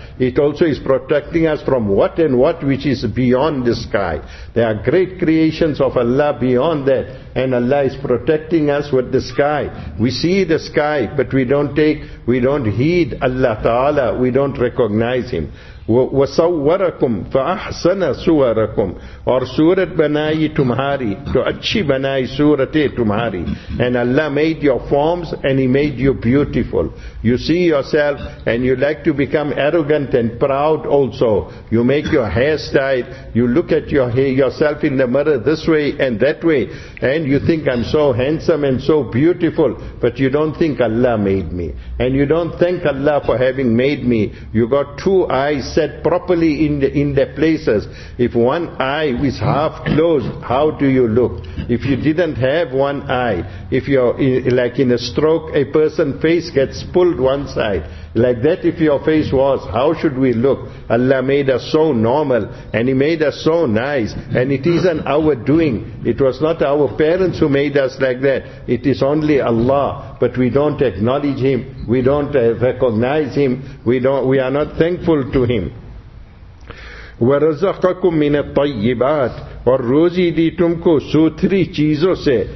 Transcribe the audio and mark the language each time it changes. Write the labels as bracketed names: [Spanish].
[English] It also is protecting us from what and what which is beyond the sky. There are great creations of Allah beyond that, and Allah is protecting us with the sky. We see the sky, but we don't heed Allah Ta'ala, we don't recognize Him. [Arabic] وَصَوَّرَكُمْ فَأَحْسَنَ صُوَرَكُمْ [Urdu] اور صورت بنائی تمہاری تو اچھی بنائی صورتیں تمہاری. [English] And Allah made your forms and He made you beautiful. You see yourself and you like to become arrogant and proud also. You make your hairstyle, you look at your hair, yourself in the mirror this way and that way, and you think, I'm so handsome and so beautiful, but you don't think Allah made me, and you don't thank Allah for having made me. You got two eyes set properly in the places. If one eye is half closed, how do you look? If you didn't have one eye, if you're like in a stroke, a person's face gets pulled one side. Like that, if your face was, how should we look? Allah made us so normal, and He made us so nice, and it isn't our doing. It was not our parents who made us like that. It is only Allah, but we don't acknowledge Him, we don't recognize Him, we are not thankful to Him. [Arabic] وَرَزَقَكُمْ مِنَ الطَّيِّبَاتِ [Urdu] اور روزی دی تم کو سوتھری چیزوں سے.